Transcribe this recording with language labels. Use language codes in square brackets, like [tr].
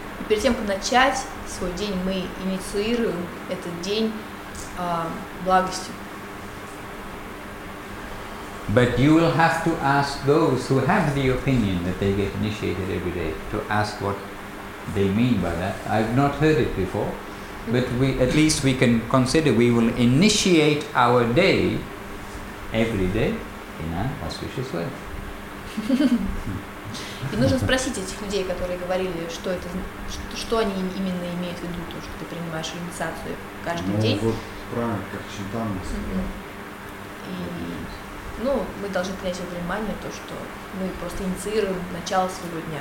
[ru] Перед тем, как начать свой день, мы инициируем этот день благостью. [en] But you will have to ask those who have the opinion that they get initiated every day to ask what they mean by that. I've not heard it before, but we at least we can consider we will initiate our day every day in an auspicious way. [ru] И нужно спросить этих людей, которые говорили, что это, что они именно имеют в виду, то, что ты принимаешь инициацию каждый день. Ну, вот правильно, как Чинтана сказала. Ну, мы должны принять во внимание то, что мы просто инициируем начало своего дня.